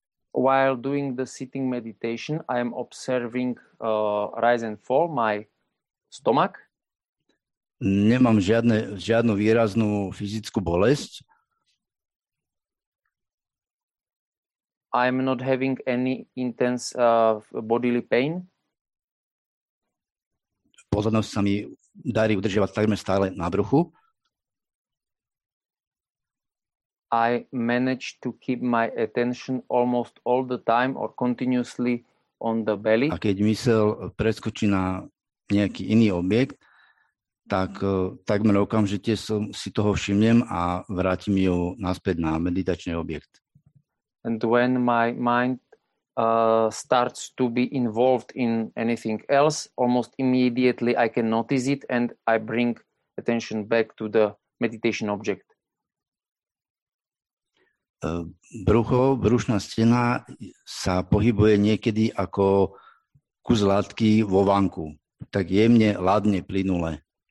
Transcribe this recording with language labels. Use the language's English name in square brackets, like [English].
[English] While doing the sitting meditation, I am observing rise and fall my stomach. [Slovak] Nemám žiadnu výraznú fyzickú bolesť. [English] I am not having any intense bodily pain. [Slovak] Pozornosť sa mi darí udržiavať takmer stále na bruchu. [English] I manage to keep my attention almost all the time or continuously on the belly. [Slovak] A keď mysel preskočí na nejaký iný objekt, tak takmer okamžite si toho všimnem a vrátim ju naspäť na meditačný objekt. [English] And when my mind starts to be involved in anything else, almost immediately I can notice it and I bring attention back to the meditation object. [Slovak] Brucho, brušná stena sa pohybuje niekedy ako kus látky vo vanku, tak jemne, ladne, plynule.